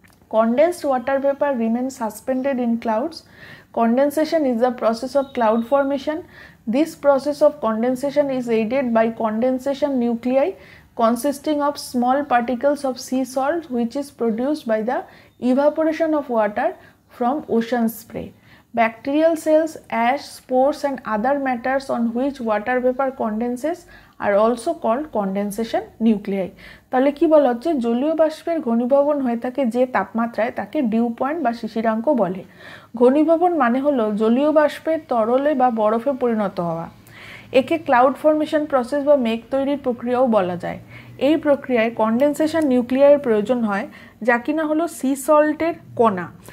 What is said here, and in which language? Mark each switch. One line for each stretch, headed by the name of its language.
English: Condensed water vapour remain suspended in clouds condensation is the process of cloud formation this process of condensation is aided by condensation nuclei consisting of small particles of sea salt which is produced by the evaporation of water from ocean spray. Bacterial cells, ash, spores and other matters on which water vapor condenses are also called condensation nuclei.
Bangla: তাহলে কি বলা হচ্ছে জলীয় বাষ্পের ঘনীভবন হয়ে থাকে যে তাপমাত্রায় তাকে ডিউ পয়েন্ট বা শিশিরাঙ্ক বলে ঘনীভবন মানে হলো জলীয় বাষ্পের তরলে বা বরফে পরিণত হওয়া একে ক্লাউড ফর্মেশন প্রসেস বা মেঘ তৈরির প্রক্রিয়াও বলা যায় এই প্রক্রিয়ায় কনডেনসেশন নিউক্লিয়ারের প্রয়োজন হয়, যা কিনা হলো সি সল্টের কণা।